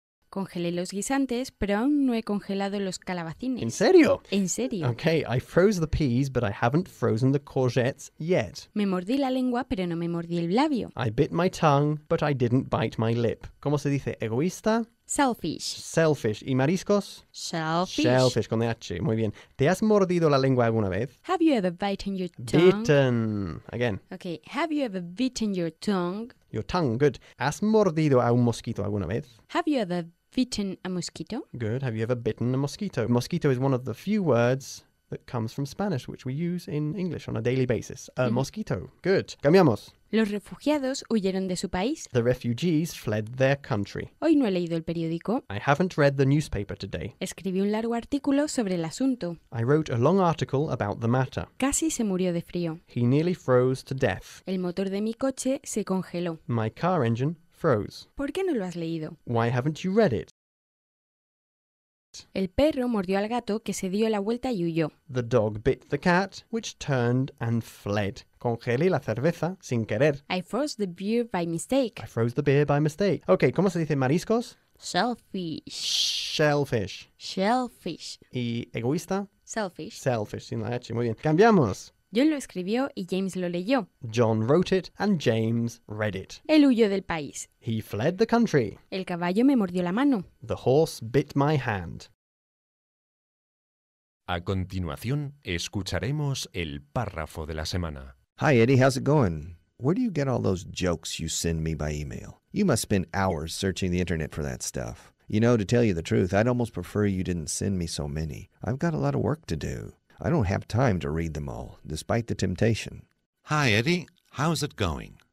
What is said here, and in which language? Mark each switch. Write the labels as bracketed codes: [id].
[es] Congelé los guisantes, pero aún no he congelado los calabacines. ¿En serio? ¿En serio? [en] Okay, I froze the peas, but I haven't frozen the courgettes yet. [es] Me mordí la lengua, pero no me mordí el labio. [en] I bit my tongue, but I didn't bite my lip. [es] ¿Cómo se dice? ¿Egoísta? [en] Selfish. [es] Selfish. ¿Y mariscos? [en] Selfish. [es] Selfish, con H. Muy bien. ¿Te has mordido la lengua alguna vez? [en] Have you ever bitten your tongue? Bitten. Again. Okay, have you ever bitten your tongue? Your tongue, good. [es] ¿Has mordido a un mosquito alguna vez? [en] Have you ever bitten a mosquito? Good. Have you ever bitten a mosquito? Mosquito is one of the few words that comes from Spanish, which we use in English on a daily basis. A mosquito. Good. [es] Cambiamos. Los refugiados huyeron de su país. [en] The refugees fled their country. [es] Hoy no he leído el periódico. [en] I haven't read the newspaper today. [es] Escribí un largo artículo sobre el asunto. [en] I wrote a long article about the matter. [es] Casi se murió de frío. [en] He nearly froze to death. [es] El motor de mi coche se congeló. [en] My car engine froze. [es] ¿Por qué no lo has leído? [en] Why haven't you read it? [es] El perro mordió al gato que se dio la vuelta y huyó. [en] The dog bit the cat, which turned and fled. [es] Congelé la cerveza sin querer. [en] I froze the beer by mistake. I froze the beer by mistake. Okay, [es] ¿cómo se dice mariscos? [en] Shellfish. Shellfish. Shellfish. [es] ¿Y egoísta? [en] Selfish. [es] Selfish, sin la H. Muy bien. Cambiamos. John lo escribió y James lo leyó. [en] John wrote it and James read it. [es] Él huyó del país. [en] He fled the country. [es] El caballo me mordió la mano. [en] The horse bit my hand. [es] A continuación, escucharemos el párrafo de la semana. [en] Hi, Eddie, how's it going? Where do you get all those jokes you send me by email? You must spend hours searching the internet for that stuff. You know, to tell you the truth, I'd almost prefer you didn't send me so many. I've got a lot of work to do. I don't have time to read them all, despite the temptation. Hi, Eddie. How's it going?